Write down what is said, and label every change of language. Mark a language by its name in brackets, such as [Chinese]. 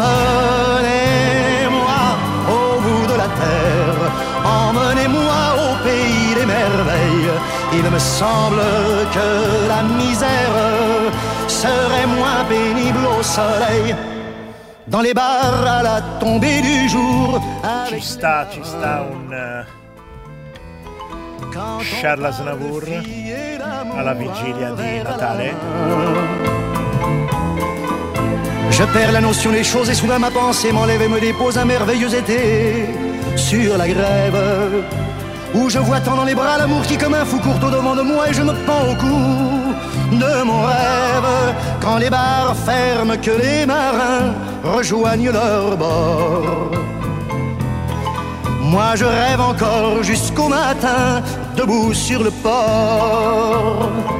[French] Emmenez-moi au bout de la terre, emmenez-moi au pays des merveilles. Il me semble que la misère serait moins pénible au soleil. Dans les bar à la tombée du jour. [Italian] Ci sta un Charles Aznavour alla vigilia di Natale. [French] Je perds la notion des choses et soudain ma pensée m'enlève et me dépose un merveilleux été sur la grève où je vois tendant les bras l'amour qui comme un fou court au devant de moi et je me pends au cou de mon rêve. Quand les bars ferment, que les marins rejoignent leur bord, moi je rêve encore jusqu'au matin debout sur le port.